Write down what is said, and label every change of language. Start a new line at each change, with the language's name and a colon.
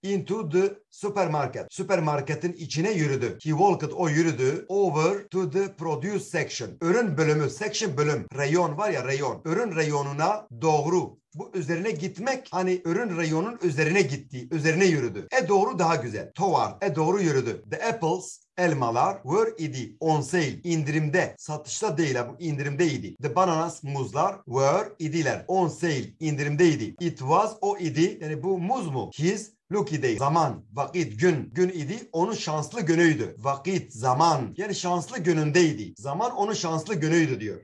English: Into the supermarket,
Turkish: süpermarketin içine yürüdü.
English: He walked,
Turkish: o yürüdü.
English: Over to the produce section,
Turkish: ürün bölümü, section bölüm, rayon var ya, rayon. Ürün rayonuna doğru, Bu üzerine gitmek, hani ürün reyonun üzerine gitti, üzerine yürüdü. E doğru daha güzel. Toward, e doğru yürüdü.
English: The apples, elmalar, were idi, on sale, indirimde.
Turkish: Satışta değil, bu indirimdeydi.
English: The bananas,
Turkish: muzlar, were idiler,
English: on sale,
Turkish: indirimdeydi.
English: It was,
Turkish: o idi, yani bu muz mu?
English: His lucky day,
Turkish: zaman, vakit, gün, gün idi, onun şanslı günüydü. Vakit, zaman, yani şanslı günündeydi. Zaman onun şanslı günüydü diyor.